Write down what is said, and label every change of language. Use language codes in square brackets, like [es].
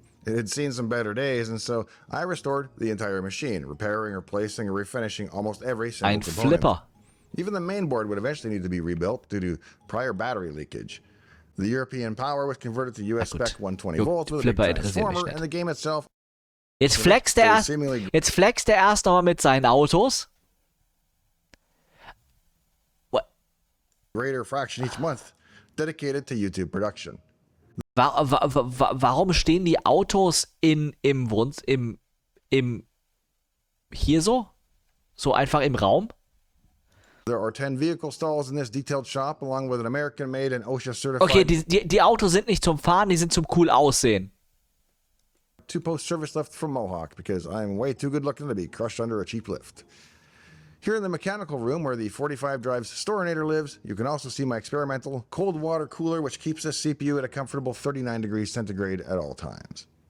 [en] It had seen some better days, and so I restored the entire machine, repairing, replacing, and refinishing almost every single [de] Ein [en] component. [de] Flipper. [en] Even the main board would eventually need to be rebuilt due to prior battery leakage. The European power was converted to US spec 120 volts with a big transformer, and the game itself. [de] Jetzt flext der erst nochmal mit seinen Autos. [en] Greater fraction each month dedicated to YouTube production. [de] Warum stehen die Autos im einfach im Raum? [en] There are 10 vehicle stalls in this detailed shop along with an American made and OSHA certified. [de] Okay, die Autos sind nicht zum Fahren, die sind zum cool aussehen. [en] Two post service lift from Mohawk because I'm way too good looking to be crushed under a cheap lift. Here in the mechanical room where the 45 drives Storinator lives, you can also see my experimental cold water cooler, which keeps this CPU at a comfortable 39 degrees centigrade at all times.